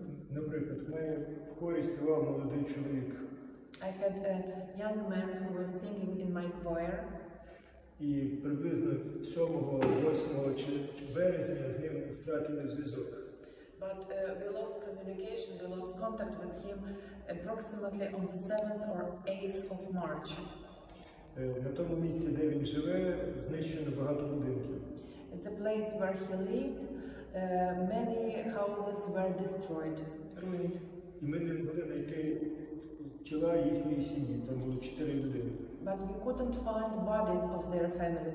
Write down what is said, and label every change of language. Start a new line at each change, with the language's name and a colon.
Ukrainian: Наприклад, в мене в хорі співав молодий чоловік.
English: I had a young man who was singing in my choir.
Ukrainian: І приблизно 7-8 березня з ним втратили зв'язок.
English: But we lost communication, we lost contact with him approximately on the 7th or 8th of March.
Ukrainian: На тому місці, де він живе, знищено багато будинків.
English: At the place where he lived, many houses were destroyed, ruined.
Ukrainian: І ми не могли знайти тіла їхньої сім'ї, там було 4 людини.
English: But we couldn't find bodies of their family.